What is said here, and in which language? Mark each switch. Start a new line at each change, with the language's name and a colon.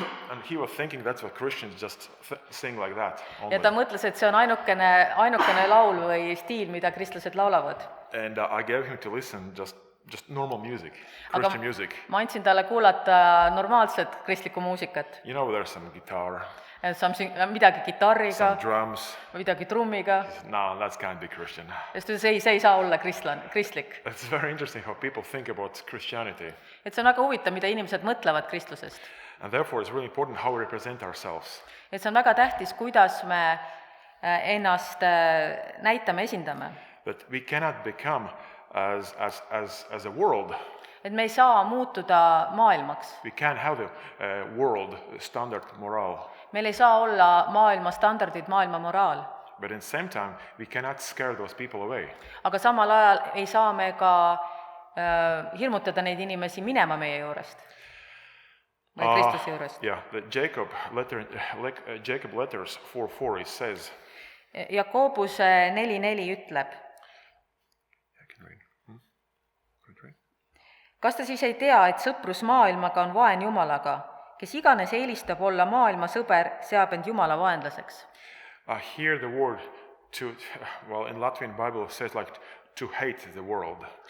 English: And he was thinking that's what Christians just sing like that. Only.
Estonian: Ja ta mõtles, et see on ainukene laul või stiil, mida kristlased laulavad.
English: And I gave him to listen just normal music, Christian
Estonian: Aga
English: music.
Estonian: Ma andsin talle kuulata normaalset kristlikku muusikat.
English: You know, there's some guitar. And something,
Estonian: midagi gitariga.
English: Some drums.
Estonian: Midagi trummiga.
English: No, that's can't be Christian.
Estonian: See ei saa olla kristlik.
English: It's very interesting how people think about Christianity.
Estonian: Et see on väga huvitav, mida inimesed mõtlevad kristlusest.
English: And therefore it's really important how we represent ourselves.
Estonian: Et see on väga tähtis, kuidas me ennast näitame, esindame.
English: But we cannot become as a world.
Estonian: Et me ei saa muutuda maailmaks.
English: We can't have a world standard moral.
Estonian: Meil ei saa olla maailma standardid, maailma moraal.
English: But in same time we cannot scare those people away.
Estonian: Aga samal ajal ei saa me ka hirmutada neid inimesi minema meie juurest.
English: Yeah, the Jacob letter, like Jacob letters 4:4, it says.
Estonian: Jakobus 4:4 ütleb. Kas ta siis ei tea, et sõprus maailmaga on vaen Jumalaga? kes iganes eelistab olla maailma sõber, seab end Jumala vaenlaseks.
English: Here the word to, well, in Latvian Bible says like to hate the world.